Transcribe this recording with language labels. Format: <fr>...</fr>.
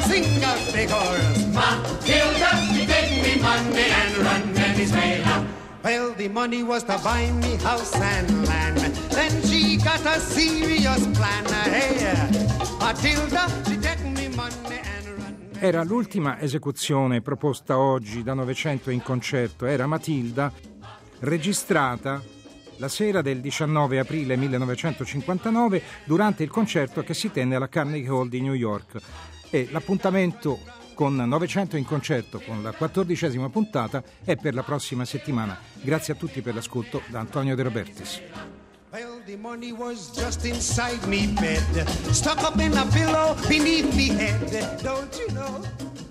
<en>sing up the chorus. Matilda, she take me money and run Venezuela. Well, the money was to buy me house and land. Then she got a serious plan. Hey, Matilda, she take me money and run.</en> <it>Era l'ultima esecuzione proposta oggi da 900 in concerto. Era Matilda, registrata la sera del 19 aprile 1959 durante il concerto che si tenne alla Carnegie Hall di New York. E l'appuntamento con 900 in concerto, con la 14ª puntata, è per la prossima settimana. Grazie a tutti per l'ascolto, da Antonio De Robertis.</it> <en>Well, the money was just inside me bed, stuck up in a pillow beneath me head. Don't you know?</en>